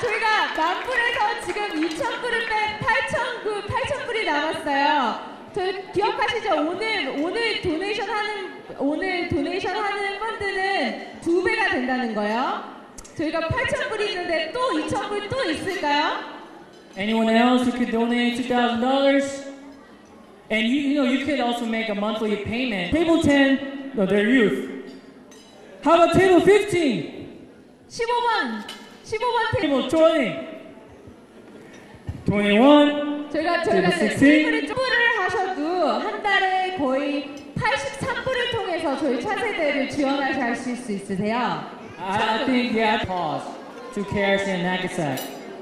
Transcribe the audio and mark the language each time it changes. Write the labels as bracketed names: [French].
[Korean] 저희가 만불에서 지금 2,000불을 뺀 8,000불이 남았어요. 저희 기억하시죠? 오늘 도네이션 하는 펀드는 두 배가 된다는 거예요. 저희가 8,000불이 있는데 또 2,000불 또 있을까요? [English] Anyone else who could donate $2,000? And you could also make a monthly payment. Table 10, no, they're youth. How about table 15? [Korean] 15번 [English] table 20. 21. [Korean] 저희가 10불을 하셔도 한 달에 거의 83불을 통해서 저희 차세대를 지원하실 수 있으세요. [English] I think we have pause to KRC and NACASAC.